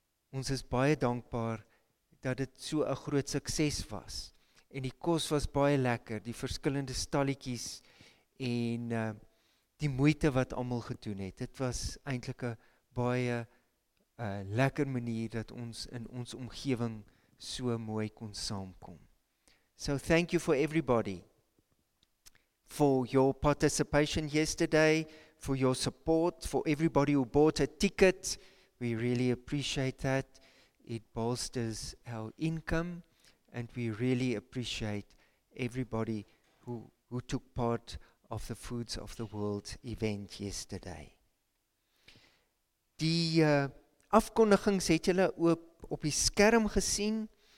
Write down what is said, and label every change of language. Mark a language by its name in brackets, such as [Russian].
[Afrikaans] Ons is baie dankbaar dat dit so 'n groot sukses was. En die kos was baie lekker, die verskillende stalletjies en die moeite wat almal gedoen het. Dit was eintlik 'n baie lekker manier dat ons in ons omgewing so mooi kon saamkom. [English] So thank you for everybody. For your participation yesterday, for your support, for everybody who bought a ticket, we really appreciate that. It bolsters our income, and we really appreciate everybody who took part of the Foods of the World event yesterday. [Afrikaans] Die afkondigings het julle oop op die skerm gesien.